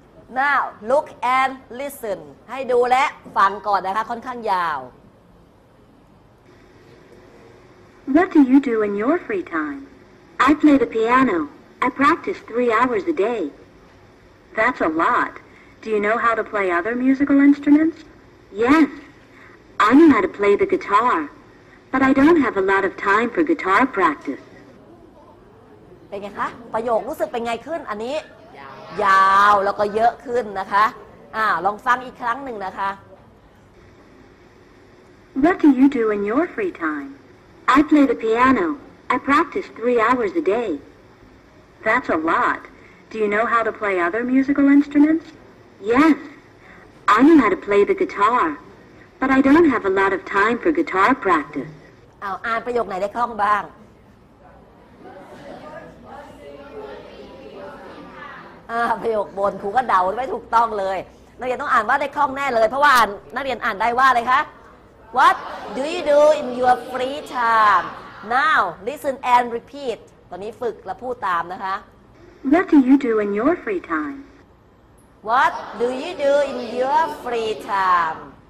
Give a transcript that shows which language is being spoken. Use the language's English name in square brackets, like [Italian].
[English] Now look and listen [Thai] ให้ดูและฟังก่อนนะคะค่อนข้างยาว [English] What do you do in your free time? I play the piano. I practice 3 hours a day. That's a lot. Do you know how to play other musical instruments? Yes. I know how to play the guitar. But I don't have a lot of time for guitar practice. [Thai] เป็นไงคะประโยครู้สึกเป็นไงขึ้นอันนี้ ยาวแล้วก็เยอะขึ้นนะคะลองฟังอีกครั้งหนึ่งนะคะ [English] What do you do in your free time? I play the piano. I practice 3 hours a day. That's a lot. Do you know how to play other musical instruments? Yes. I know how to play the guitar. But I don't have a lot of time for guitar practice. [Thai] อ่านประโยคไหนได้คล่องบ้างประโยคบนครูก็เดาไม่ถูกต้องเลยนักเรียนต้องอ่านว่าได้คล่องแน่เลยเพราะว่านักเรียนอ่านได้ว่าอะไรคะ [English] What do you do in your free time? Now listen and repeat [Thai] ตอนนี้ฝึกและพูดตามนะคะ [English] What do you do in your free time? What do you do in your free time?